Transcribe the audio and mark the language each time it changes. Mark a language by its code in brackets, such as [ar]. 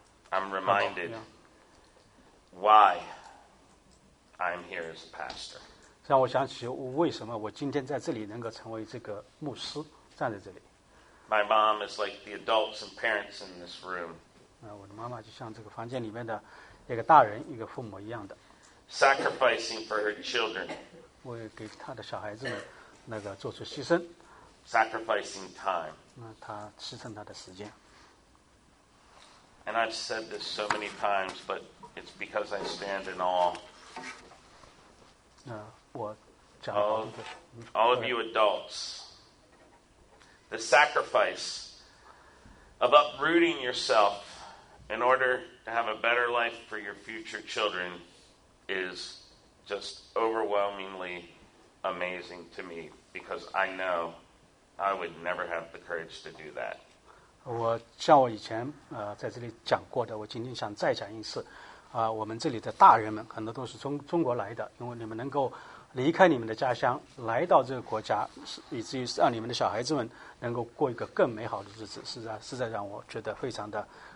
[en] I'm reminded why I'm here as a pastor. [zh] 让我想起为什么我今天在这里能够成为这个牧师站在这里。 [en] My mom is like the adults and parents in this room. [zh] 我的妈妈就像这个房间里面的一个大人一个父母一样的 [en] sacrificing for her children [zh] 为给她的小孩子们那个做出牺牲 [en] sacrificing time [zh] 她牺牲她的时间 [en] and I've said this so many times but it's because I stand in awe [zh] 我讲了这个 [en] all of you adults the sacrifice of uprooting yourselfin order to have a better life for your future children is just overwhelmingly amazing to me because I know I would never have the courage to do that. [zh] 我像我以前在这里讲过的，我今天想再讲一次。我们这里的大人们很多都是从中国来的，因为你们能够离开你们的家乡来到这个国家，以至于让你们的小孩子们能够过一个更美好的日子，实在让我觉得非常的。